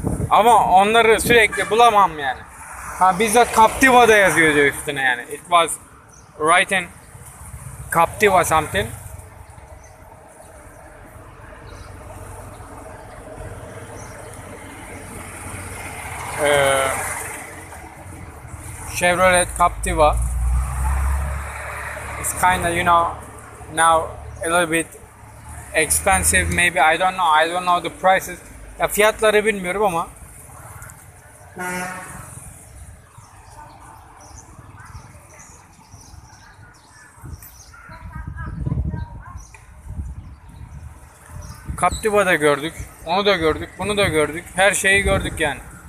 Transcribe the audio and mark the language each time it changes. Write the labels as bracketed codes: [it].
[tr] Ama onları sürekli bulamam yani. Ha, bizzat Captiva da yazıyordu üstüne yani. [en] It was written Captiva something. Chevrolet Captiva. It's kinda, you know, now a little bit expensive maybe, I don't know, I don't know the prices. [tr] Ya fiyatları bilmiyorum ama. Captiva da gördük, onu da gördük, bunu da gördük, her şeyi gördük yani.